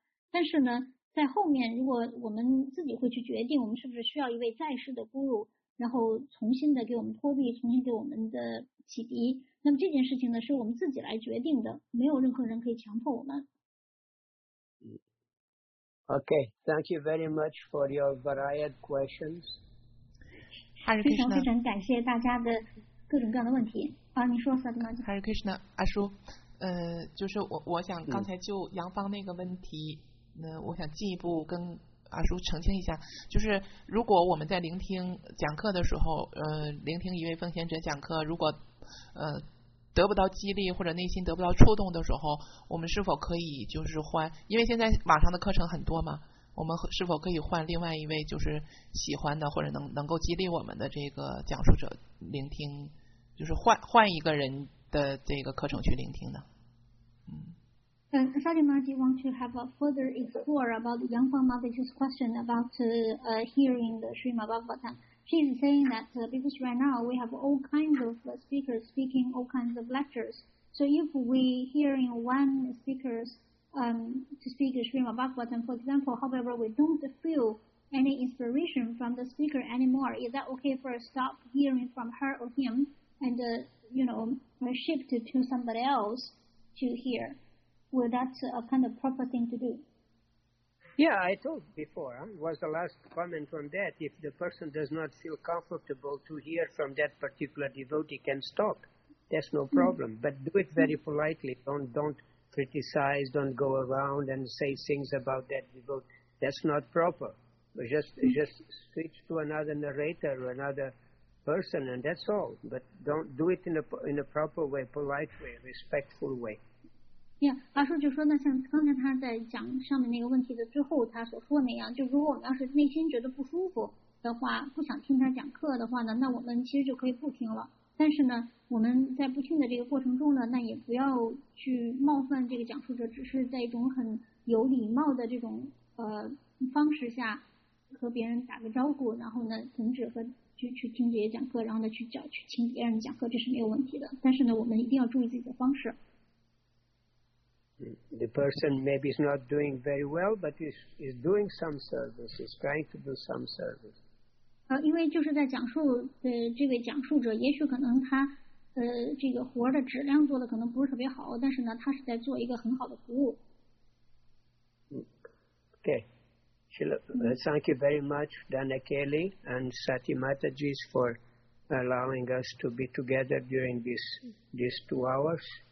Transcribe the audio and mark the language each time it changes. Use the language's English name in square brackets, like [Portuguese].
[Chinese] 但是呢，在后面如果我们自己会去决定我们是不是需要一位在世的 guru， 然后重新的给我们托庇，重新给我们的启迪，那么这件事情呢是我们自己来决定的，没有任何人可以强迫我们。 [English] OK, thank you very much for your varied questions. [Chinese] 非常非常感谢大家的各种各样的问题。啊，你说萨德玛吉。Hare Krishna， 阿叔，就是我想刚才就杨芳那个问题，那我想进一步跟阿叔澄清一下，就是如果我们在聆听讲课的时候，聆听一位奉献者讲课，如果得不到激励或者内心得不到触动的时候，我们是否可以就是换？因为现在网上的课程很多嘛。我们是否可以换另外一位就是喜欢的或者能够激励我们的这个讲述者聆听，就是换一个人的这个课程去聆听呢？ [English] Fatima, do you want to have a further explore about Yangfang Mataji's question about hearing the Srimad Bhagavatam? She is saying that because right now we have all kinds of speakers speaking all kinds of lectures, so if we hearing one speakers. To speak Srimad Bhagavatam, for example, however, we don't feel any inspiration from the speaker anymore. Is that okay for us to stop hearing from her or him and, shift to somebody else to hear? Well, that's a kind of proper thing to do. Yeah, I told before, was the last comment on that. If the person does not feel comfortable to hear from that particular devotee, can stop. That's no problem. Mm-hmm. But do it very politely. Don't. Criticize, don't go around and say things about that devotee. That's not proper. But just switch to another narrator or another person, and that's all. But don't do it in a proper way, polite way, respectful way. [Chinese] Yeah, 阿叔就说呢，像刚才他在讲上面那个问题的之后，他所说的那样，就如果我们要是内心觉得不舒服的话，不想听他讲课的话呢，那我们其实就可以不听了。但是呢，我们在不听的这个过程中呢，那也不要去冒犯这个讲述者，只是在一种很有礼貌的这种方式下和别人打个招呼，然后呢停止和去听这些讲课，然后呢去听别人讲课，这是没有问题的。但是呢，我们一定要注意自己的方式。 [English] The person maybe is not doing very well, but is doing some service. Is trying to do some service. [Chinese] 因为就是在讲述的这位讲述者，也许可能他这个活的质量做的可能不是特别好，但是呢，他是在做一个很好的服务。 [English] Okay, Srila, thank you very much, Dana Kelly and Sati Mataji, for allowing us to be together during these 2 hours.